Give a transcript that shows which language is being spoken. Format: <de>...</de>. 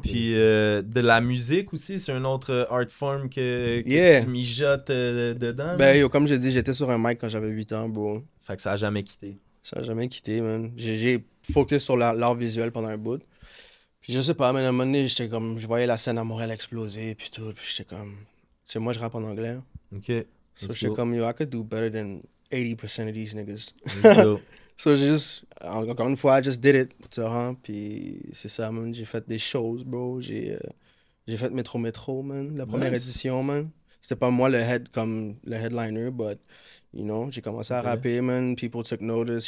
<fr>Puis de la musique aussi, c'est un autre art form que tu mijotes dedans. Ben, yo, comme j'ai dit, j'étais sur un mic quand j'avais 8 ans, bro. Fait que ça a jamais quitté. Ça a jamais quitté, man. J'ai focus sur l'art visuel pendant un bout. Puis je sais pas, mais à un moment donné, j'étais comme. Je voyais la scène à Montréal exploser, puis tout. Puis j'étais comme. C'est moi, je rappe en anglais. OK.</fr> <en>So,</en> <fr>je suis comme,</fr> <en>yo, I could do better than 80% of these niggas. Let's go.</en> <fr>So, j'ai juste, encore une fois,</fr> <en>I just did it,</en> <fr>tu vois. Puis, c'est ça, man. J'ai fait des choses, bro. J'ai fait Métro, man. La première édition, man. C'était pas moi le headliner,</fr> <en>but, you know,</en> <fr>j'ai commencé à rapper, man.</fr> <en>People took notice.</en>